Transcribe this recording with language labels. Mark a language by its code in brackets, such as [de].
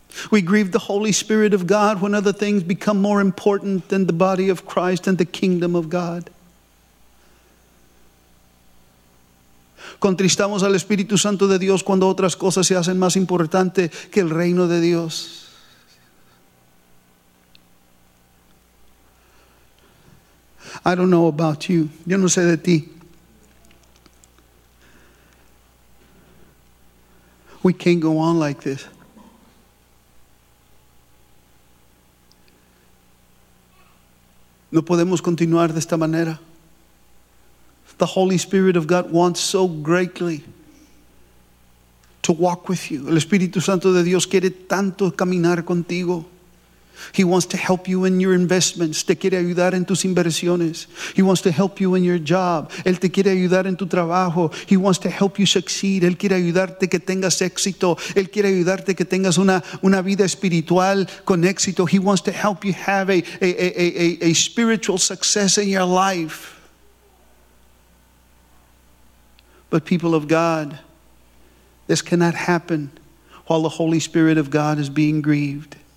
[en] We grieve the Holy Spirit of God when other things become more important than the body of Christ and the kingdom of God. [es] Contristamos al Espíritu Santo de Dios cuando otras cosas se hacen más importante que el reino de Dios. [en] I don't know about you. [es] Yo no sé de ti. [en] We can't go on like this. [es] No podemos continuar de esta manera. [en] The Holy Spirit of God wants so greatly to walk with you. [es] El Espíritu Santo de Dios quiere tanto caminar contigo. [en] He wants to help you in your investments. [es] Te quiere ayudar en tus inversiones. [en] He wants to help you in your job. [es] Él te quiere ayudar en tu trabajo. [en] He wants to help you succeed. [es] Él quiere ayudarte que tengas éxito. Él quiere ayudarte que tengas una vida espiritual con éxito. [en] He wants to help you have a spiritual success in your life. But people of God, this cannot happen while the Holy Spirit of God is being grieved.